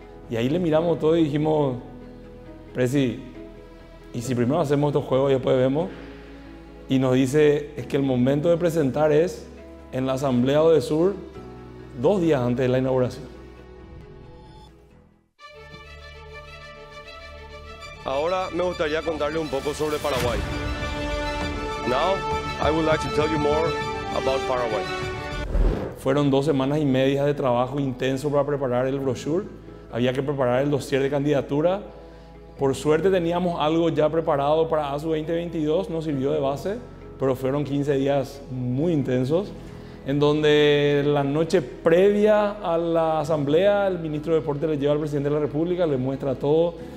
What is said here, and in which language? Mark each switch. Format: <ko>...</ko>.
<es>Y ahí le miramos todo y dijimos, Presi, ¿y si primero hacemos estos juegos y después vemos? Y nos dice, es que el momento de presentar es en la Asamblea Odesur, 2 días antes de la inauguración. Ahora me gustaría contarle un poco sobre Paraguay.</es> <en>Now, I would like to tell you more about Paraguay.</en> <es>Fueron 2 semanas y media de trabajo intenso para preparar el brochure. Había que preparar el dossier de candidatura. Por suerte teníamos algo ya preparado para ASU 2022, nos sirvió de base, pero fueron 15 días muy intensos, en donde la noche previa a la asamblea, el ministro de Deporte le lleva al presidente de la República, le muestra todo.</es>